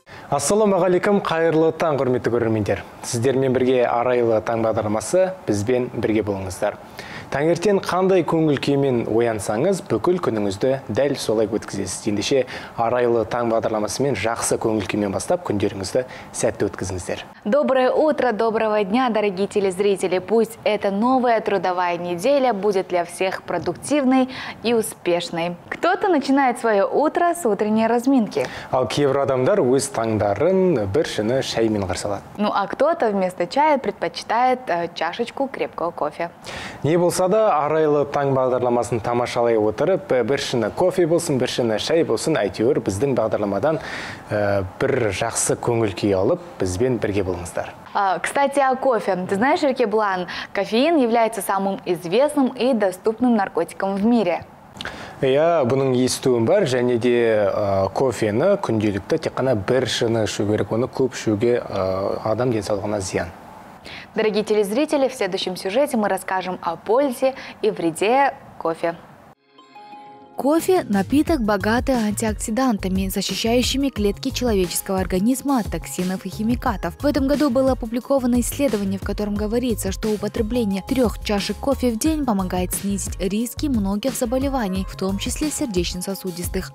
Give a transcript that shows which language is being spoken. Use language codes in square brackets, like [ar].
[kk] Ассаламу алейкум, қайырлы таң, құрметті көрермендер. Сіздермен бірге арайлы таң бағдарламасы, бізбен бірге болыңыздар. Таңертен қандай көңіл күймен оянсаңыз, бүкіл күніңізді дәл солай өткізесіз. Ендеше арайлы таң бағдарламасымен жақсы көңіл күймен бастап, күндеріңізді сәтті өткізіңіздер. [ru] Доброе утро, доброго дня, дорогие телезрители. Пусть эта новая трудовая неделя будет для всех продуктивной и успешной. Кто-то начинает свое утро с утренней разминки. [kk] Ал кейбір адамдар өз таңдарын біршіні шаймен қарсы алады. [ru] Ну а кто-то вместо чая предпочитает чашечку крепкого кофе. [kk] Не болса да, арайлы таң бағдарламасын тамашалай отырып, біршіні кофе болсын, біршіні шай болсын, әйтеуір біздің бағдарламадан бір жақсы көңіл күй алып, бізбен бірге болыңыздар. [ru] Кстати, о кофе. Ты знаешь, Еркебулан, кофеин является самым известным и доступным наркотиком в мире. [kk] Я бұның естуім бар, және де кофені күнделікті тек қана бір шыны ішу керек, оны көп ішуге адам денсаулығына зиян. [ru] Дорогие телезрители, в следующем сюжете мы расскажем о пользе и вреде кофе. Кофе – напиток, богатый антиоксидантами, защищающими клетки человеческого организма от токсинов и химикатов. В этом году было опубликовано исследование, в котором говорится, что употребление 3 чашек кофе в день помогает снизить риски многих заболеваний, в том числе сердечно-сосудистых.